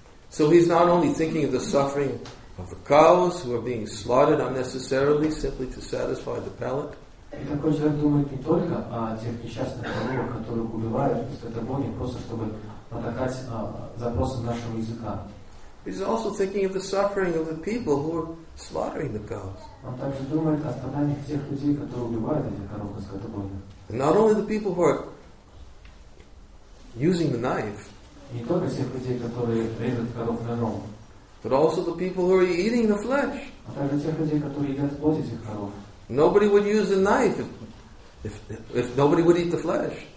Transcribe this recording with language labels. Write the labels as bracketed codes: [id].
[en] So he's not only thinking of the suffering of the cows who are being slaughtered unnecessarily simply to satisfy the palate. [ru] И такой человек думает не только о тех несчастных коровах, которых убивают скотобойни, просто чтобы потакать запросам нашего языка. [en] He's also thinking of the suffering of the people who are slaughtering the cows. [ru] Он также думает о страданиях тех людей, которые убивают этих коров и скотобойни. [en] Not only the people who are using the knife. [ru] Не только тех людей, которые режут коров ножом. [en] But also the people who are eating the flesh. [ru] А также тех людей, которые едят плоть этих коров. [en] Nobody would use a knife if nobody would eat the flesh.